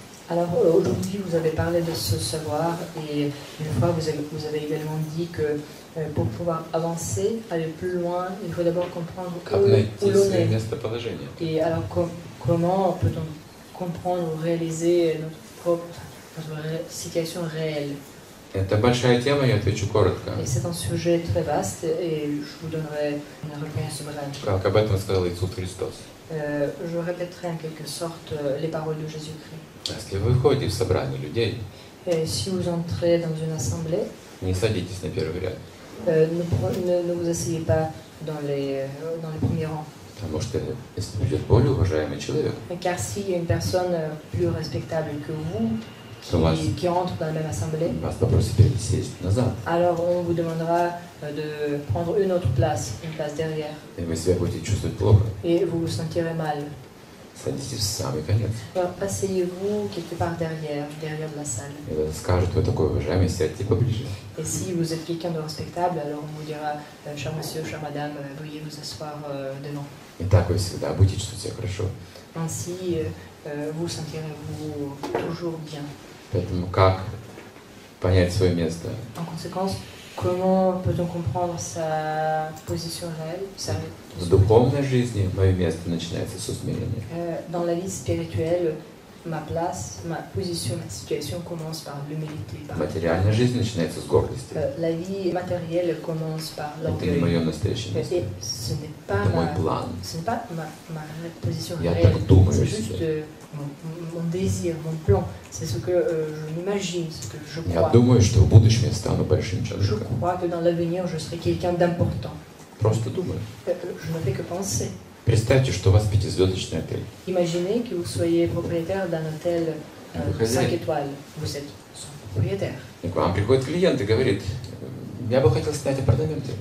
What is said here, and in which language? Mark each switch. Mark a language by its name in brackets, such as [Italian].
[French] Alors aujourd'hui vous avez parlé de ce savoir et une fois vous avez également dit que pour pouvoir avancer, aller plus loin, il faut d'abord comprendre où l'on est. Et alors comment peut-on comprendre ou réaliser notre propre situation réelle? [Russian] Это большая тема, я отвечу коротко. И [French] c'est un sujet très vaste et je vous donnerai une réponse brève. [Russian] Как об этом сказал Иисус Христос? [French] Je répéterai en quelque sorte les paroles de Jésus-Christ. [Russian] Если вы входите в собрание людей, [French] si vous entrez dans une assemblée, [Russian] не садитесь на первый ряд. [French] Ne vous asseyez pas dans les premiers rangs. [Russian] Потому что если придет более уважаемый человек, [French] car si une personne plus respectable que vous qui rentre dans la même assemblée, [Russian] вас попросит пересесть назад. [French] Alors on vous demandera de prendre une autre place, une place derrière. Et [Russian] вы себя будете чувствовать плохо. [French] Et vous vous sentirez mal. [Russian] Садитесь в самый конец. [French] Alors, asseyez-vous quelque part derrière, derrière de la salle. Et [Russian] вы скажете, вы такой уважаемый, сядьте поближе. [French] Et si vous êtes quelqu'un de respectable, alors on vous dira, cher monsieur, chère madame, veuillez vous asseoir devant. [Russian] И так вы всегда будете чувствовать себя хорошо. [French] Ainsi, vous sentirez-vous toujours bien. [Russian] Поэтому как понять свое место? [French] En conséquence, comment peut-on comprendre sa position réelle, sa... [Russian] В духовной жизни мое место начинается с усмирения. [French] Dans la vie spirituelle, ma place, ma position, ma situation commence par l'humilité. [Russian] В материальной жизни начинается с гордости. [French] La vie matérielle commence par l'orgueil. [Russian] Это не мое настоящее место. [French] Ce n'est pas [Russian] мой план. [French] Ce n'est pas ma position [Russian] я [French] réelle. [Russian] Я так думаю. [French] C'est juste mon désir, mon plan. C'est ce que je m'imagine, ce que je crois. [Russian] Я думаю, что в будущем я стану большим человеком. [French] Je crois que dans l'avenir, je serai quelqu'un d'important. [Russian] Просто думаю. [French] Je ne fais que penser. [Russian] Представьте, что у вас пятизвездочный отель. [French] Imaginez que vous soyez propriétaire d'un hôtel 5 étoiles. Vous êtes propriétaire. [Russian] И к вам приходит клиент и говорит, я бы хотел снять апартаменты.